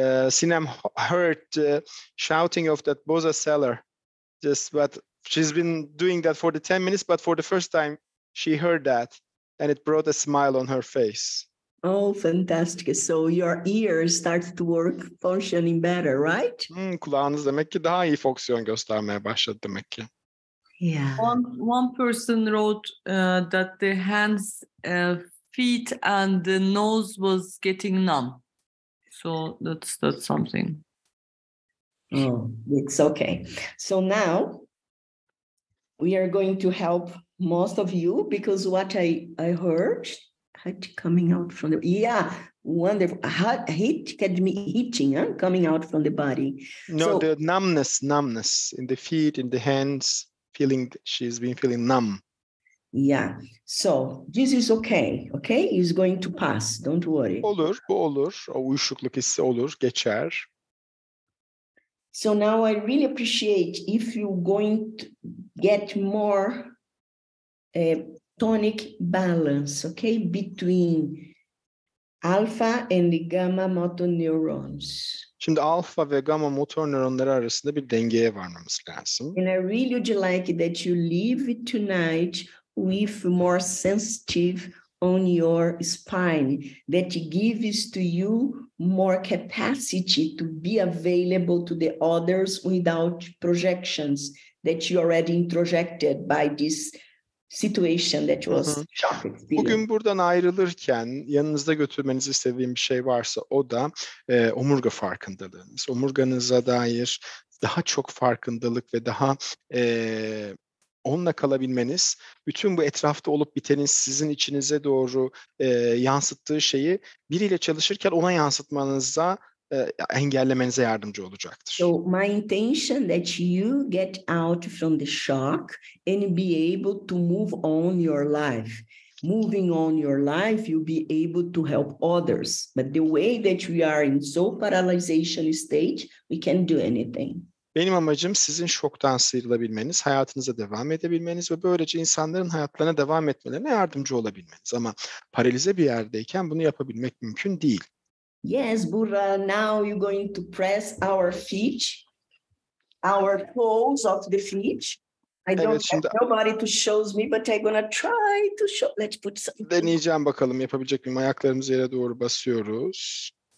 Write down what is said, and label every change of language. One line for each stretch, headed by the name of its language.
English: Sinem heard shouting of that Boza seller, just but she's been doing that for the 10 minutes, but for the first time she heard that and it brought a smile on her face. Oh, fantastic. So your ears start to work functioning better, right?
Turkish: Kulağınız demek ki daha iyi fonksiyon göstermeye başladı demek ki.
English: Yeah. One person wrote that the hands, feet and the nose was getting numb. So that's something. Oh, it's okay. So now we are going to help most of you because what I heard had coming out from the, yeah, wonderful. Heat can be heating, huh? Coming out from the body. No, so, the numbness in the feet, in the hands, feeling she's been feeling numb. Yeah. So this is okay. Okay, it's going to pass. Don't worry.
Turkish: Olur, bu olur. O uyuşukluk hissi olur, geçer.
English: So now I really appreciate if you going to get more tonic balance, okay, between Alpha and gamma motor neurons.
Turkish: Şimdi alfa ve gamma motor nöronları arasında bir dengeye varmamız lazım.
English: And I really would like that you leave it tonight with more sensitive on your spine, that gives to you more capacity to be available to the others without projections that you already introjected by this situation that was shocking.
Turkish: Bugün buradan ayrılırken yanınızda götürmenizi istediğim bir şey varsa o da omurga farkındalığınız. Omurganıza dair daha çok farkındalık ve daha onunla kalabilmeniz, bütün bu etrafta olup bitenin sizin içinize doğru yansıttığı şeyi biriyle çalışırken ona yansıtmanıza, engellemenize yardımcı olacaktır.
English: So my intention that you get out from the shock and be able to move on your life. Moving on your life, you'll be able to help others. But the way that we are in so paralyzation stage, we can't do anything.
Turkish: Benim amacım sizin şoktan sıyrılabilmeniz, hayatınıza devam edebilmeniz ve böylece insanların hayatlarına devam etmelerine yardımcı olabilmeniz. Ama paralize bir yerdeyken bunu yapabilmek mümkün değil.
English: Yes, Burra, now you're going to press our feet, our toes of the feet. I don't
Turkish: evet,
English: have nobody to show me, but I'm going to try to show. Let's put something.
Turkish: Deneyeceğim bakalım yapabilecek miyim? Ayaklarımızı yere doğru basıyoruz.